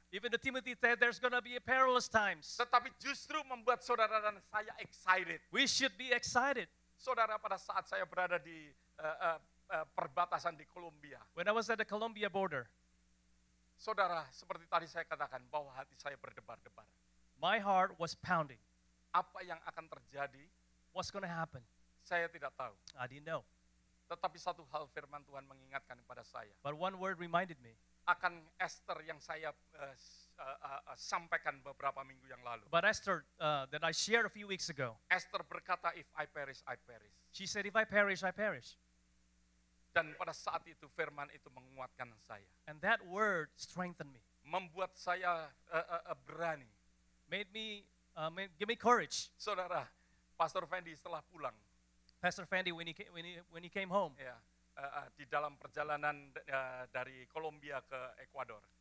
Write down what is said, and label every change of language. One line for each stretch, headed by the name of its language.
English: Even the Timothy said there's going to be a perilous times.
Indonesian: Tetapi justru membuat saudara dan saya excited.
English: We should be excited.
Indonesian: Saudara, pada saat saya berada di perbatasan di Colombia.
English: When I was at the Colombia border.
Indonesian: Saudara, seperti tadi saya katakan bahwa hati saya berdebar-debar.
English: My heart was pounding.
Indonesian: Apa yang akan terjadi?
English: What's going to happen?
Indonesian: Saya tidak tahu.
English: I didn't know.
Indonesian: Tetapi satu hal firman Tuhan mengingatkan kepada saya.
English: But one word reminded me.
Indonesian: Akan Esther yang saya sampaikan beberapa minggu yang lalu.
English: But Esther that I shared a few weeks ago.
Indonesian: Esther berkata,
English: if I perish, I perish. She said, if I perish, I perish.
Indonesian: Dan pada saat itu firman itu menguatkan saya.
English: And that word strengthened me.
Indonesian: Membuat saya berani.
English: Give me courage.
Indonesian: Saudara, Pastor Fendi setelah pulang.
English: Pastor Fendi, when he came home,
Indonesian: yeah, di dalam perjalanan dari Colombia ke Ecuador.